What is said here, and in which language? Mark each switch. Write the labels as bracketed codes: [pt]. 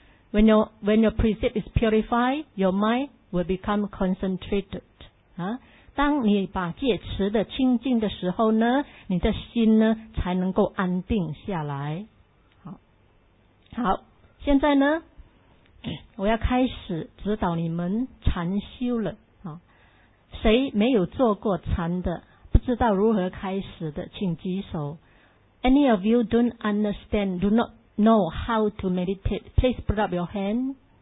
[en] When your precept is purified, your mind will become concentrated. [zh] 当你把戒持的清净的时候呢，你的心呢才能够安定下来。好，现在呢，我要开始指导你们禅修了。谁没有做过禅的，不知道如何开始的，请举手。 [en] Any of you don't understand, do not know how to meditate, please put up your hand.